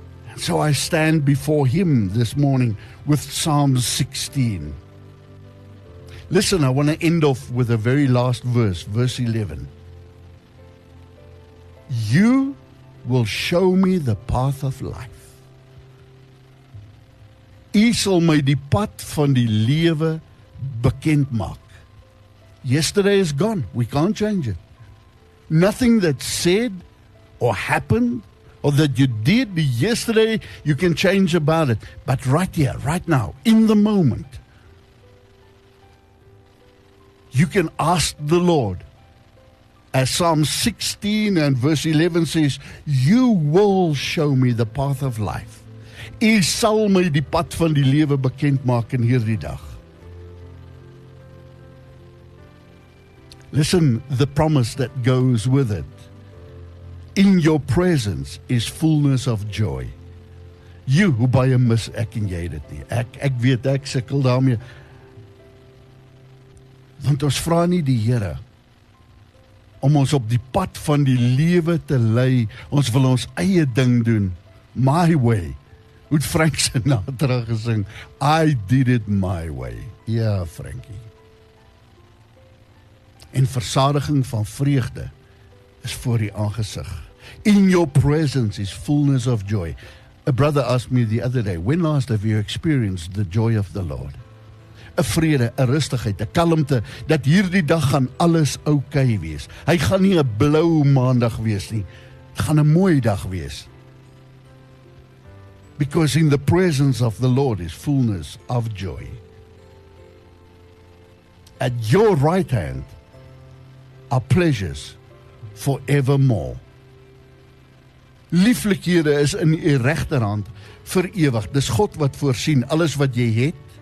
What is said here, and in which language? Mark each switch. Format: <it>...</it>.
<en>And so I stand before Him this morning with Psalm 16. Listen, I want to end off with the very last verse, verse 11. You will show me the path of life.</en> <af>U sal my die pad van die lewe bekend maak.</af> <en>Yesterday is gone. We can't change it. Nothing that said or happened or that you did yesterday, you can change about it. But right here, right now, in the moment, you can ask the Lord, as Psalm 16 and verse 11 says, you will show me the path of life.</en> <af>U sal my die pad van die lewe bekend maak in hierdie dag.</af> <en>Listen, the promise that goes with it. In your presence is fullness of joy.</en> <af>You who by a mis, ek en jy dit nie. Ek weet, ek sikkel daarmee. Want ons vra nie die Here om ons op die pad van die lewe te lei. Ons wil ons eie ding doen.</af> <en>My way.</en> <af>Hoed Frank se natra gesing,</af> <en>I did it my way.</en> <af>Ja, Frankie. En versadiging van vreugde is voor die aangesig.</af> <en>In your presence is fullness of joy. A brother asked me the other day, when last have you experienced the joy of the Lord?</en> <af>A vrede, a rustigheid, a kalmte, dat hierdie dag gaan alles okay wees. Hy gaan nie 'n blou maandag wees nie. Het gaan 'n mooi dag wees.</af> <en>Because in the presence of the Lord is fullness of joy. At your right hand are pleasures forevermore.</en> <af>Lieflikhede is in u regterhand vir ewig. Dis God wat voorsien alles wat jy het.</af>